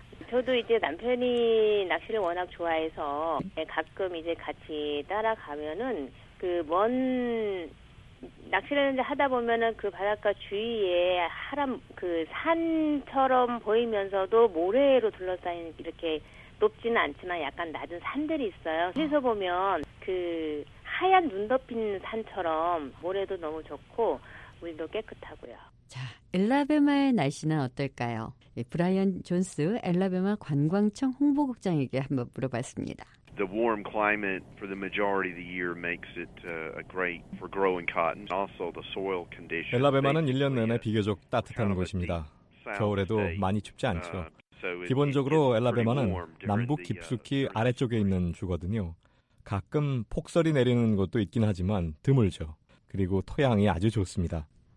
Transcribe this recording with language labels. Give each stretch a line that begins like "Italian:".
Korean: 저도 이제 남편이 낚시를 워낙 좋아해서 가끔 이제 같이 따라가면은 그 먼 낚시를 하다 보면은 그 바닷가 주위에 하람 그 산처럼 보이면서도 모래로 둘러싸인 이렇게 높지는 않지만 약간 낮은 산들이 있어요. 거기서 보면 그 하얀 눈 덮인 산처럼 모래도 너무 좋고 물도 깨끗하고요. 자, 엘라베마의 날씨는 어떨까요? 예, 브라이언 존스 엘라베마 관광청 홍보국장에게 한번 물어봤습니다.
English: The warm climate for the majority of the year makes it great for growing cotton. Also the soil condition.
Korean: 엘라베마는 1년 내내 비교적 따뜻한 곳입니다. 겨울에도 많이 춥지 않죠. 기본적으로 엘라베마는 남북 깊숙이 아래쪽에 있는 주거든요. 가끔 폭설이 내리는 곳도 있긴 하지만 드물죠. 그리고 토양이 아주 좋습니다.